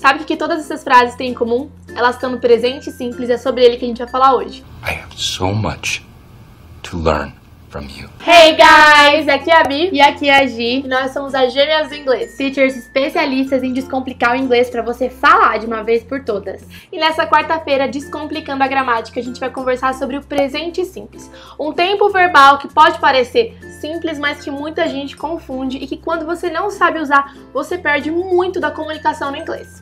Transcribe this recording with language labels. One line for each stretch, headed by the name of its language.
Portuguese: Sabe o que todas essas frases têm em comum? Elas estão no presente simples, é sobre ele que a gente vai falar hoje.
English: I have so much to learn from you. Hey guys,
Portuguese: aqui é a Bi. E aqui é a Gi. E nós somos as Gêmeas do Inglês. Teachers especialistas em descomplicar o inglês pra você falar de uma vez por todas. E nessa quarta-feira, descomplicando a gramática, a gente vai conversar sobre o presente simples. Um tempo verbal que pode parecer simples, mas que muita gente confunde e que quando você não sabe usar, você perde muito da comunicação no inglês.